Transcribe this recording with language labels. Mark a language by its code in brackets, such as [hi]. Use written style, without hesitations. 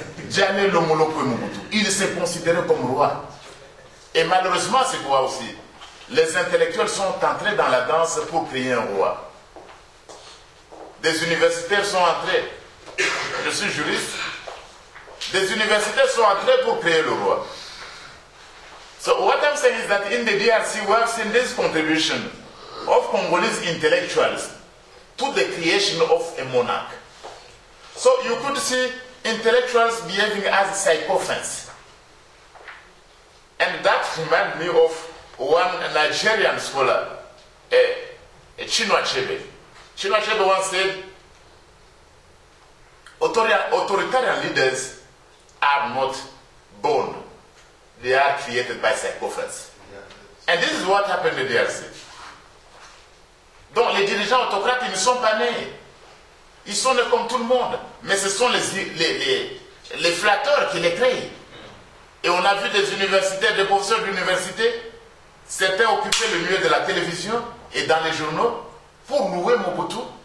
[fr] Jamais le Moulopo et Mobutu. Il s'est considéré comme roi. Et malheureusement, c'est quoi aussi? Les intellectuels sont entrés dans la danse pour créer un roi. Des universitaires sont entrés. Je suis juriste. Des universitaires sont entrés pour créer le roi. [en] So what I'm saying is that in the DRC, we have seen this contribution of Congolese intellectuals to the creation of a monarch. So you could see intellectuals behaving as sycophants. And that reminds me of one Nigerian scholar, Chinua Achebe. Chinua Achebe once said, authoritarian leaders are not born. They are created by sycophants. And this is what happened in the DRC. [fr] Donc les dirigeants autocrates, ils ne sont pas nés. Ils sont nés comme tout le monde. Mais ce sont les flatteurs qui les créent. Et on a vu des universitaires, des professeurs d'université, certains occupaient le milieu de la télévision et dans les journaux pour louer Mobutu.